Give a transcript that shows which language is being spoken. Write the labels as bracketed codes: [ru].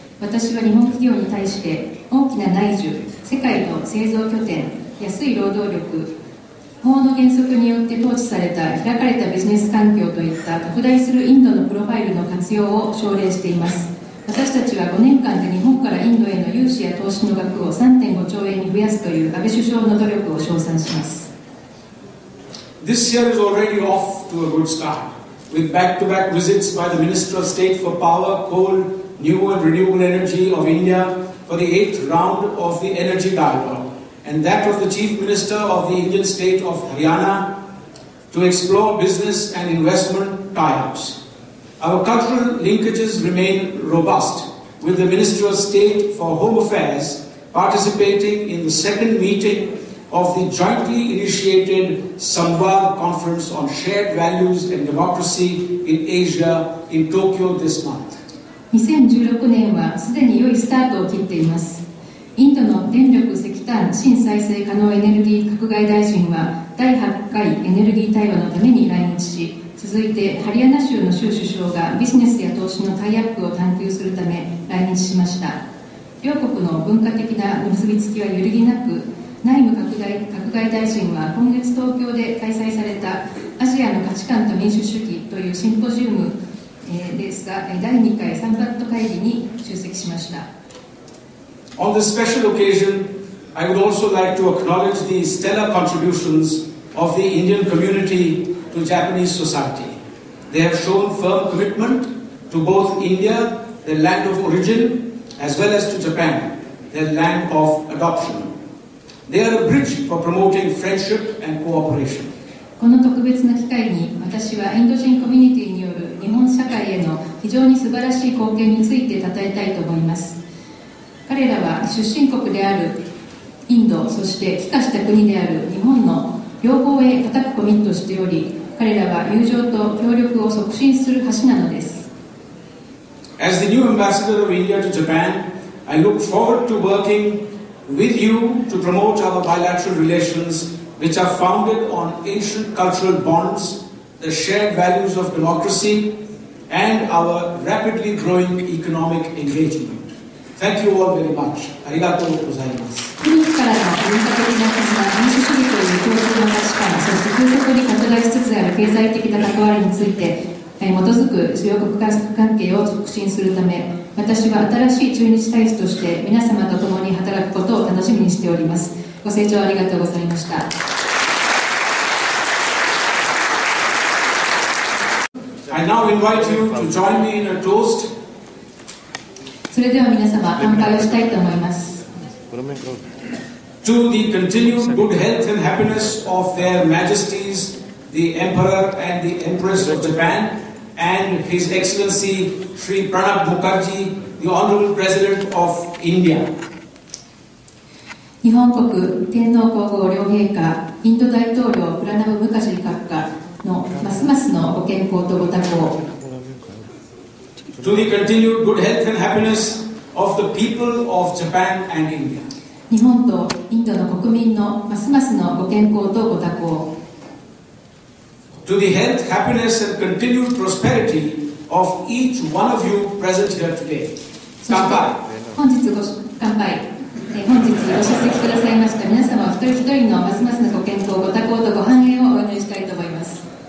[ja] 私は日本企業に対して大きな内需、世界の製造拠点、安い労働力、法の原則によって統治された開かれたビジネス環境といった拡大するインドのプロファイルの活用を奨励しています。私たちは5年間で日本からインドへの融資や投資の額を 3.5 兆円に増やすという安倍首相の努力を称賛します。 [en] This year is already off to a good start with back-to-back visits by the Minister of State for Power, Coal, New and Renewable Energy of India for the 8th round of the Energy Dialogue and that of the Chief Minister of the Indian State of Haryana to explore business and investment tie-ups. Our cultural linkages remain robust, with the Minister of State for Home Affairs participating in the second meeting of the jointly initiated Samvad Conference on Shared Values and Democracy in Asia in Tokyo this month. [ja] 2016年はすでに良いスタートを切っています。インドの電力石炭新再生可能エネルギー閣外大臣は第8回エネルギー対話のために来日し、続いてハリアナ州の州首相がビジネスや投資のタイアップを探求するため来日しました。両国の文化的な結びつきは揺るぎなく、内務閣外大臣は今月東京で開催されたアジアの価値観と民主主義というシンポジウムですが第2回サンパッド会議に出席しました。 [en] On this special occasion I would also like to acknowledge the stellar contributions of the Indian communityto Japanese society. They have shown firm commitment to both India, their land of origin, as well as to Japan, their land of adoption. They are a bridge for promoting friendship and cooperation. [ja] この特別な機会に、私はインド人コミュニティによる日本社会への非常に素晴らしい貢献について称えたいと思います。彼らは出身国であるインド、そして帰化した国である日本の両方へ固くコミットしており、彼らは友情と協力を促進する橋なのです。 [en] As the new ambassador of India to Japan, I look forward to working with you to promote our bilateral relations, which are founded on ancient cultural bonds, the shared values of democracy, and our rapidly growing economic engagement. Thank you all very much. [ja] ありがとうございます。国からの文化的な価値は民主主義という共通の価値観、そして急速に拡大しつつある経済的な関わりについて基づく主要国家関係を促進するため、私は新しい駐日大使として皆様と共に働くことを楽しみにしております。ご清聴ありがとうございました。 [en] I now invite you to join me in a toast. [ja] それでは皆様、乾杯をしたいと思います。 [en] To the continued good health and happiness of their Majesties, the Emperor and the Empress of Japan, and His Excellency Sri Pranab Mukherjee, the Honorable President of India. [ja] 日本国天皇皇后両陛下、インド大統領プラナブ・ムカジー閣下のますますのご健康とご多幸。 [en] To the continued good health and happiness of the people of Japan and India. [ja] 日本とインドの国民のますますのご健康とご多幸。 [en] To the health, happiness and continued prosperity of each one of you present here today. [ja] 乾杯。本日ご出席くださいました皆様一人一人のますますのご健康、ご多幸とご繁栄をお祈りしたいと思います。